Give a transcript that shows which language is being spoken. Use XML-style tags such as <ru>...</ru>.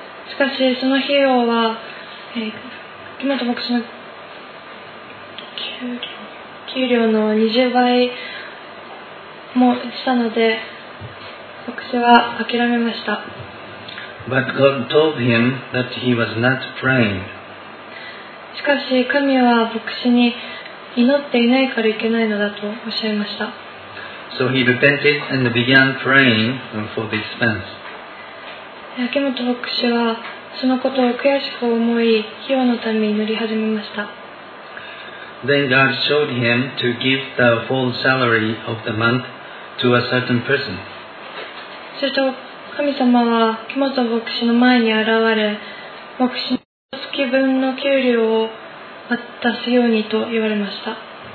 <ja>しかしその費用は、木本牧師の給料の20倍もしたので、牧師は諦めました。</ja> <en>But God told him that he was not praying.</en> <ja>しかし神は牧師に祈っていないからいけないのだとおっしゃいました。</ja> <en>So he repented and began praying for the expense.</en> <ja>秋元牧師はそのことを悔しく思い、費用のために祈り始めました。</ja> <en>Then God showed him to give the full salary of the month to a certain person.</en> <ja>すると神様は秋元牧師の前に現れ、牧師の月分の給料を渡すようにと言われました。</ja>